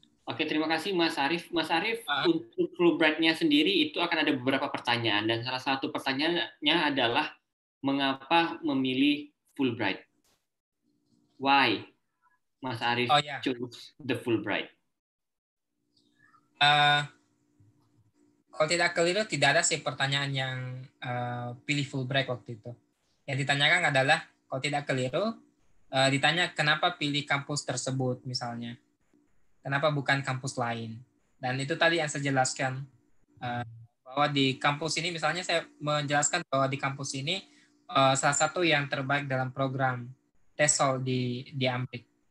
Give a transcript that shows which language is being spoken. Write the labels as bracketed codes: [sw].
[id] Oke, terima kasih Mas Arief. Mas Arief, untuk Fulbright-nya sendiri itu akan ada beberapa pertanyaan, dan salah satu pertanyaannya adalah mengapa memilih Fulbright? [en] Why Mas Arief choose the Fulbright? [id] Kalau tidak keliru, tidak ada sih pertanyaan yang pilih Fulbright waktu itu. Yang ditanyakan adalah, kalau tidak keliru, ditanya kenapa pilih kampus tersebut misalnya. Kenapa bukan kampus lain? Dan itu tadi yang saya jelaskan, bahwa di kampus ini, misalnya saya menjelaskan bahwa di kampus ini salah satu yang terbaik dalam program TESOL di Amrik.